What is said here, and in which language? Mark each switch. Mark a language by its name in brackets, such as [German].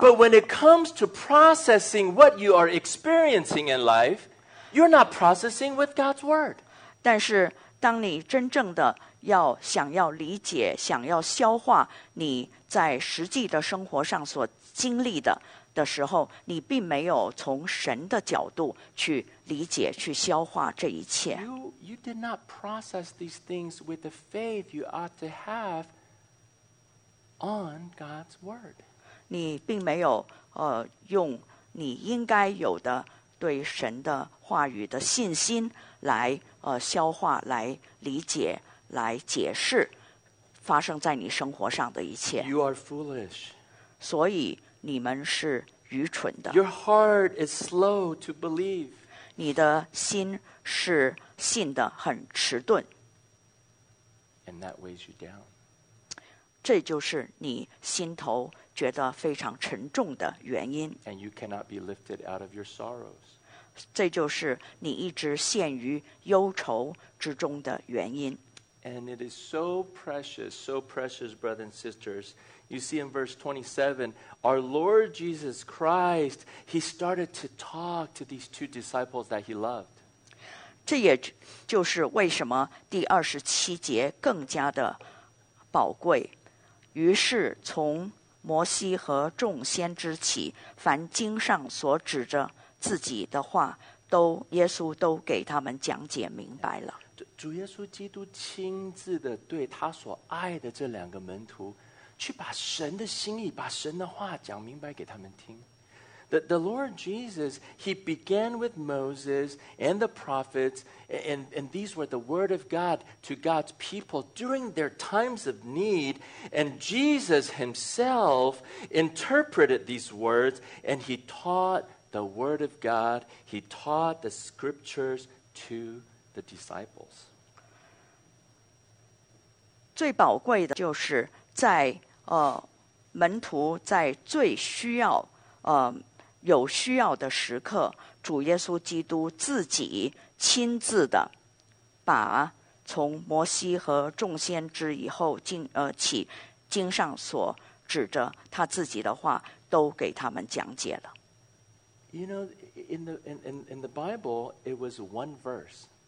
[English] But when it comes to processing what you are experiencing in life, you're not processing with God's word. [Chinese] 但是当你真正的要想要理解，想要消化你在实际的生活上所经历的时候，你并没有从神的角度去理解，去消化这一切。 [English] You did not process these things with the faith you ought to have on God's word. [Chinese] 你并没有用你应该有的对神的话语的信心来消化，来理解，来解释发生在你生活上的一切。 [English] You are foolish. [Chinese] 所以你们是愚蠢的。 [English] Your heart is slow to believe. [Chinese] 你的心是信得很迟钝。 [English] And that weighs you down. [Chinese] 这就是你心头觉得非常沉重的原因。 [English] And you cannot be lifted out of your sorrows. [Chinese] 这就是你一直陷于忧愁之中的原因。 [English] And it is so precious, brothers and sisters. You see in verse 27, our Lord Jesus Christ, he started to talk to these two disciples that he loved. [Chinese] 这也就是为什么第二十七节更加的宝贵。于是从摩西和众先知起，凡经上所指着自己的话，都耶稣都给他们讲解明白了。主耶稣基督亲自的对他所爱的这两个门徒去把神的心意，把神的话讲明白给他们听。 [English] The Lord Jesus, he began with Moses and the prophets, and these were the word of God to God's people during their times of need, and Jesus himself interpreted these words, and he taught the word of God, he taught the scriptures to the disciples. [Chinese] 最宝贵的就是在门徒在最需要有需要的时刻，主耶稣基督自己亲自的把从摩西和众先知以后经上所指着他自己的话都给他们讲解了。 [English] You know, in the Bible, it was one verse.